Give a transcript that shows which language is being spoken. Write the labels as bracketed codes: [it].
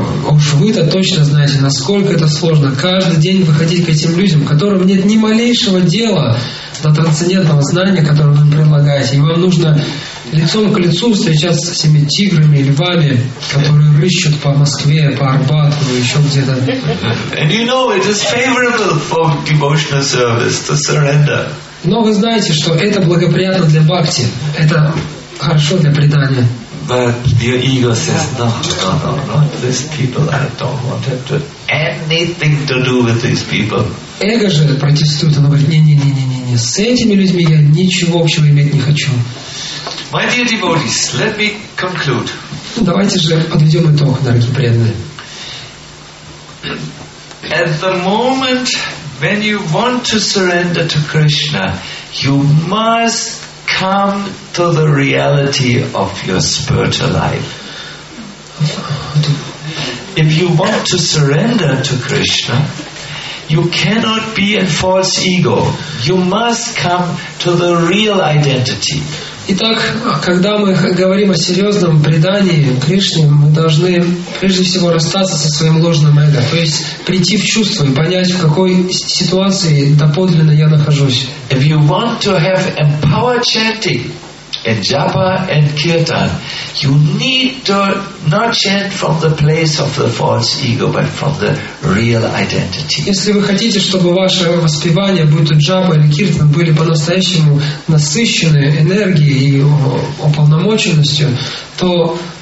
[ru] Уж вы-то точно знаете, насколько это сложно каждый день выходить к этим людям, которым нет ни малейшего дела до трансцендентного знания, которое вы предлагаете. И вам нужно лицом к лицу встречаться со всеми тиграми и львами, которые рыщут по Москве, по Арбату, еще где-то. [en] And you know, it is favorable for devotional service to surrender. [ru] Но вы знаете, что это благоприятно для бхакти. Это хорошо для предания. [en] But your ego says, no, not these people. I don't want to have anything to do with these people. [ru] Эго же протестует, оно говорит, не, с этими людьми я ничего общего иметь не хочу. [en] My dear devotees, let me conclude. [ru] Давайте же подведем итог, дорогие преданные. [en] At the moment when you want to surrender to Krishna, you must come to the reality of your spiritual life. If you want to surrender to Krishna, you cannot be a false ego. You must come to the real identity. [ru] Итак, когда мы говорим о серьезном предании Кришне, мы должны прежде всего расстаться со своим ложным эго, то есть прийти в чувство и понять, в какой ситуации доподлинно я нахожусь. [en] If you want to have empowered chanting in japa and kirtan, you need to not chant from the place of the false ego, but from the real identity. [ru] Если вы хотите, чтобы ваше воспевание, будь то джапа или киртан, были по-настоящему насыщены энергией и уполномоченностью, то